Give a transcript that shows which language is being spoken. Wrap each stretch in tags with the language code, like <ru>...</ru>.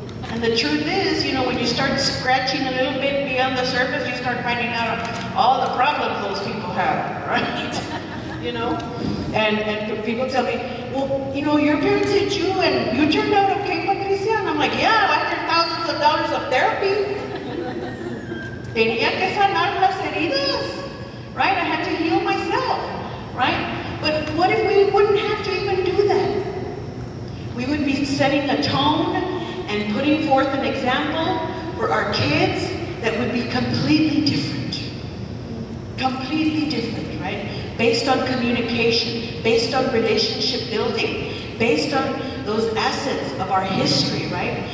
<en>And the truth is, you know, when you start scratching a little bit beyond the surface, you start finding out all the problems those people have, right? You know? And people tell me, well, you know, your parents hit you and you turned out okay, Patricia? And I'm like, yeah, I did thousands of dollars of therapy.</en> <es>Tenía que sanar las heridas, right?</es> <en>I had to heal myself, right? But what if we wouldn't have to even do that? We would be setting a tone and putting forth an example for our kids that would be completely different, completely different, right? Based on communication, based on relationship building, based on those assets of our history, right?</en>